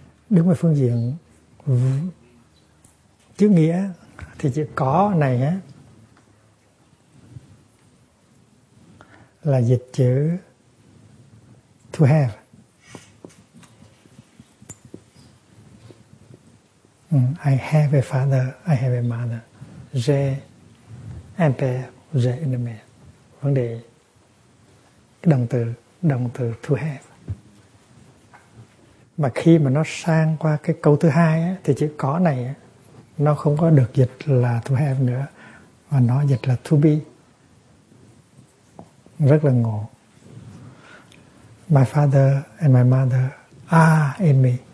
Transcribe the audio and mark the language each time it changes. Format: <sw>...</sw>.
<vi>Đứng về phương diện chữ nghĩa thì chữ có này á là dịch chữ to have.</vi> <en>I have a father, I have a mother.</en> <fr>J'ai un père.</fr> <vi>Rể nè mẹ. Vấn đề động từ to have. Mà khi mà nó sang qua cái câu thứ hai á, thì chữ có này á, nó không có được dịch là to have nữa mà nó dịch là to be. Rất là ngộ.</vi> <en>My father and my mother are in me.</en>